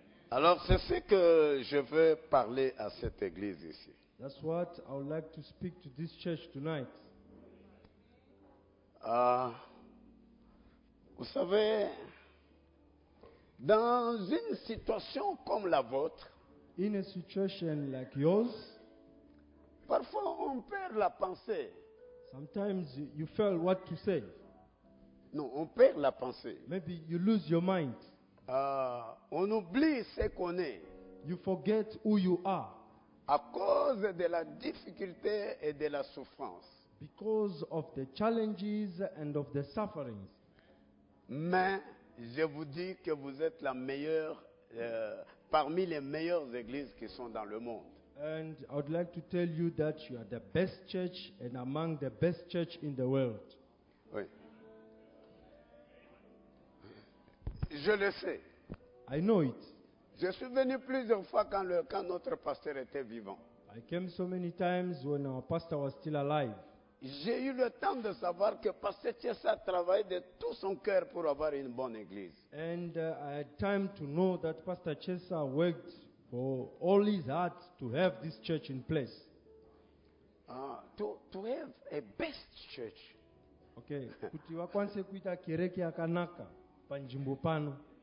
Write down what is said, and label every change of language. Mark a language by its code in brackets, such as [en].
[fr] Alors, c'est ce que je veux parler à cette église ici. [en] That's what I would like to speak to this church tonight. [fr] Vous savez, dans une situation comme la vôtre, [en] in a situation like yours, [fr] parfois on perd la pensée. [en] Sometimes you fail what to say. [fr] Non, on perd la pensée. [en] Maybe you lose your mind. [fr] On oublie ce qu'on est. [en] You forget who you are. [fr] À cause de la difficulté et de la souffrance. [en] Because of the challenges and of the sufferings. [fr] Mais je vous dis que vous êtes la meilleure parmi les meilleures églises qui sont dans le monde. [en] And I would like to tell you that you are the best church and among the best church in the world. [fr] Oui. Je le sais. [en] I know it. [fr] Je suis venu plusieurs fois quand notre pasteur était vivant. [en] I came so many times when our pastor was still alive. [fr] J'ai eu le temps de savoir que Pasteur Tiesa travaillait de tout son cœur pour avoir une bonne église. [en] And I had time to know that Pastor Tiesa worked for all his heart to have this church in place. To have a best church. [sn] Okay. Kuti vakwanise kuita kereke yakanaka panzvimbo pano.